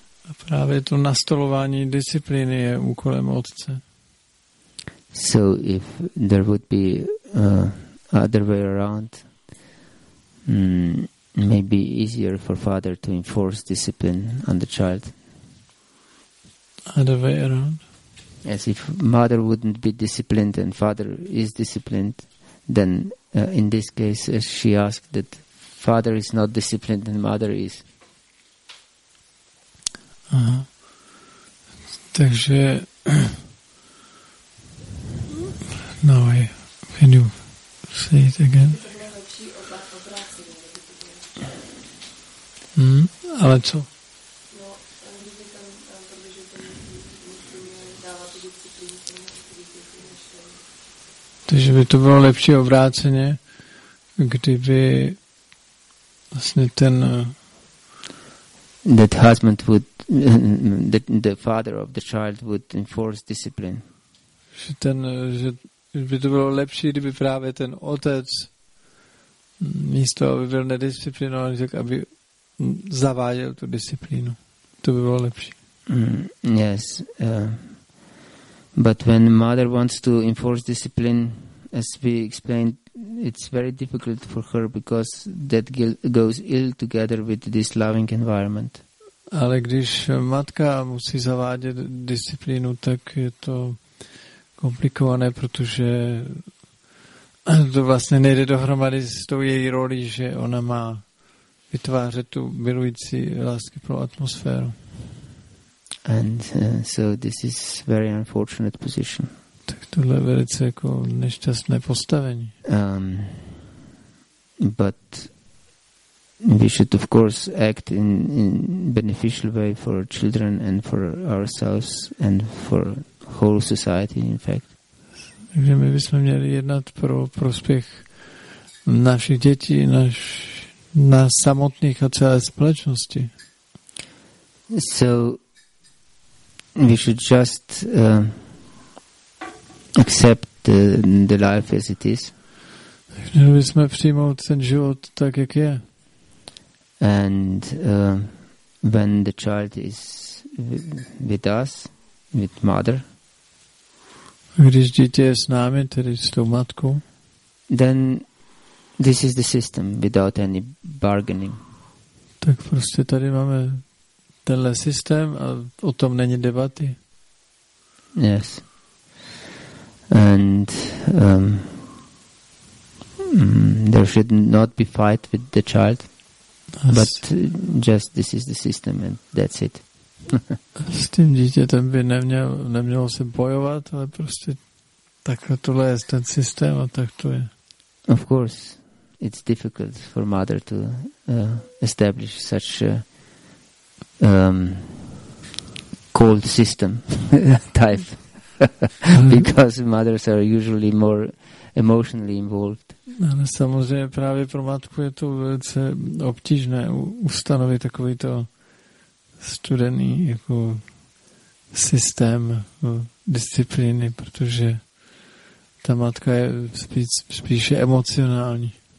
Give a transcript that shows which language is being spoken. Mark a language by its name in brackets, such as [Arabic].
[Czech] A právě to nastolování disciplíny je úkolem otce. [English] So if there would be other way around, maybe easier for father to enforce discipline on the child. Other way around? As if mother wouldn't be disciplined and father is disciplined, then in this case she asked that father is not disciplined and mother is. Takže now I can you say it again? [Czech] Ale co? Takže by to bylo lepší obráceně, kdyby vlastně ten [English] that husband would the father of the child would enforce discipline. [Czech] Že ten, že by to bylo lepší, kdyby právě ten otec místo aby byl nedisciplinovaný, tak aby zaváděl tu disciplínu. To by bylo lepší. [English] Yes. But when mother wants to enforce discipline, as we explained, it's very difficult for her because that goes ill together with this loving environment. [Czech] Ale když matka musí zavádět disciplínu, tak je to komplikované, protože to vlastně nejde dohromady s tou její rolí, že ona má vytvářet tu milující lásky pro atmosféru. [English] And so this is very unfortunate position. [Czech] Tak tohle je velice jako nešťastné postavení. [English] But we should of course act in beneficial way for children and for ourselves and for whole society in fact. [Czech] Takže my bychom měli jednat pro prospěch našich dětí, nás samotných a celé společnosti. [English] So we should just accept the life as it is. [Czech] Měli bychom přijmout ten život tak, jak je. [English] And when the child is with us, with mother, [Czech] když dítě je s námi, tedy s tou matkou, [English] then this is the system without any bargaining. [Czech] Tak prostě tady máme tenhle systém a o tom není debaty. [English] Yes. And there should not be fight with the child. But just this is the system and that's it. [Czech] S tím dítětem by nemělo se bojovat, ale prostě takhle tohle je ten systém a tak to je. [English] Of course, it's difficult for mother to establish such cold system type because mothers are usually more emotionally involved. [Czech] Ale samozřejmě právě pro matku je to velice obtížné ustanovit takovýto studený jako systém disciplíny, protože ta matka je spíše emocionální.